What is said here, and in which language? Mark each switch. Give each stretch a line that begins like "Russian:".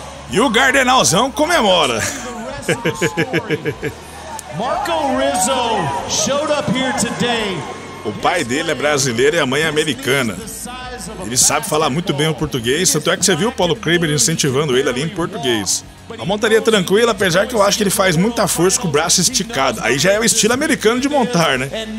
Portuguese: E o Gardenalzão comemora.
English: Marco Rizzo showed up here today.
Portuguese: O pai dele é brasileiro e a mãe é americana. Ele sabe falar muito bem o português, tanto é que você viu o Paulo Klimber incentivando ele ali em português. A montaria é tranquila, apesar que eu acho que ele faz muita força com o braço esticado. Aí já é o estilo americano de montar, né?